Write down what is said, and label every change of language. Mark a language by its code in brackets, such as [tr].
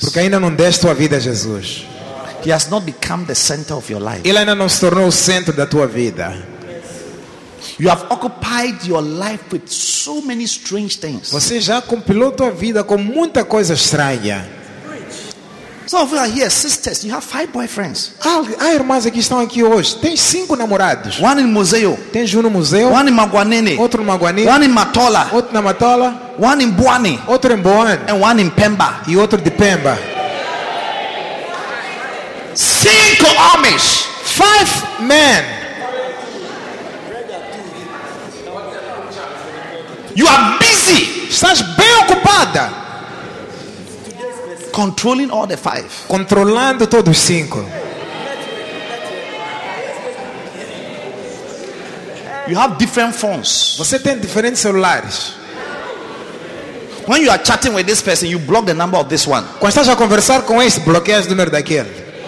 [pt] Porque ainda não deste tua vida a Jesus. [en] He has not become the center of your life. [pt] Ele ainda não se tornou o centro da tua vida. [en] You have occupied your life with so many strange things. [pt] Você já compilou tua vida com muita coisa estranha. [en] Some of you are here, sisters. You have 5 boyfriends. [pt] Ah, irmãs aqui estão aqui hoje. Tem 5 namorados. [en] One in Museu. [pt] Tem um no Museu. [en] One in Maguanene. [pt] Outro no Maguanene. [en] One in Matola. [pt] Outro na Matola. [en] One in Buane. [pt] Outro em Buane. [en] And one in Pemba. [pt] E outro de Pemba. 5 homens. [en] 5 men. You are busy. [pt] Estás bem ocupada. [en] Controlling all the 5. [pt] Controlando todos os 5. [en] You have different phones. [pt] Você tem diferentes celulares. [en] When you are chatting with this person, you block the number of this one. [pt] Quando estás a conversar com este, bloqueias o número daquele.